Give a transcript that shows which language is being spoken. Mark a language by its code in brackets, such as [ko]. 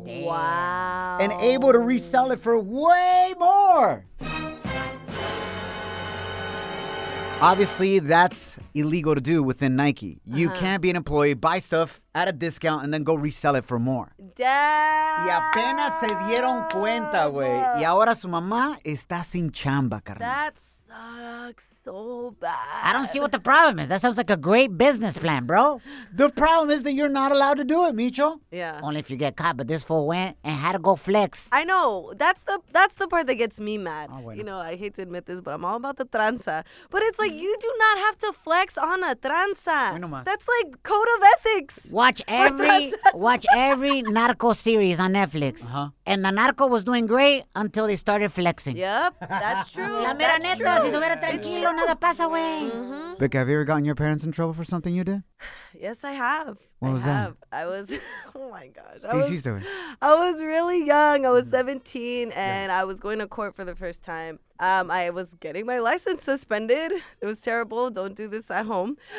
[en] Wow. And able to resell it for way more. Obviously, that's illegal to do within Nike. You can't be an employee, buy stuff at a discount, and then go resell it for more. Damn. [es] Y apenas se dieron cuenta, güey. Y ahora su mamá está sin chamba, carnal. [en] That's so bad. I don't see what the problem is. That sounds like a great business plan, bro. The problem is that you're not allowed to do it, Micho. Yeah. Only if you get caught, but this fool went and had to go flex. I know. That's the part that gets me mad. You know, I hate to admit this, but I'm all about the tranza. But it's like, you do not have to flex on a tranza. That's like code of ethics. Watch every narco series on Netflix. Uh-huh. And the narco was doing great until they started flexing. Yep, that's true. [es] La mera neta, si estuviera tranquilo, nada pasa, güey. Mm-hmm. [en] Vic, have you ever gotten your parents in trouble for something you did? Yes, I have. What I was have. That? I was, oh my gosh. I was really young. I was 17, and yeah. I was going to court for the first time. I was getting my license suspended. It was terrible. Don't do this at home.